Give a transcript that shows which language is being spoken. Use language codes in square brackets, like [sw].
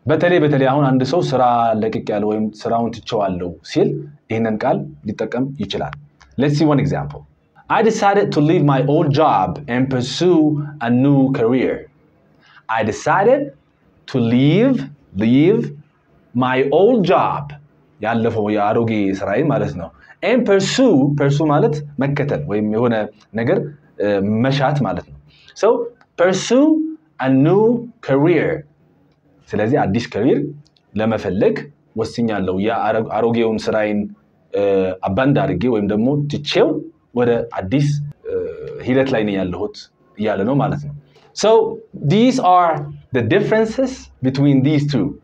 [am] በተለይ በተለይ አሁን አንድ ሰው ስራ ለቅቅ ያለው ወይም ስራውን ትቼዋለሁ ሲል ይሄንን ቃል ሊጠቀም ይችላል. [en] Let's see one example. I decided to leave my old job and pursue a new career. I decided to leave my old job. [am] ያለፈው ያሮጌ ስራይ ማለት ነው. And pursue ማለት መከተል ወይም የሆነ ነገር መሻት ማለት ነው. [en] So pursue a new career. [am] ስለዚህ አዲስ ካሪየር ለመፈለግ ወስኛለሁ. ያሮጌውን ስራይን አባንድ አድርጌ ወይም ደግሞ ትቼው ወደ አዲስ ሂደት ላይ ነው ያለሁት ያለ ነው ማለት ነው. [en] So these are the differences between these two.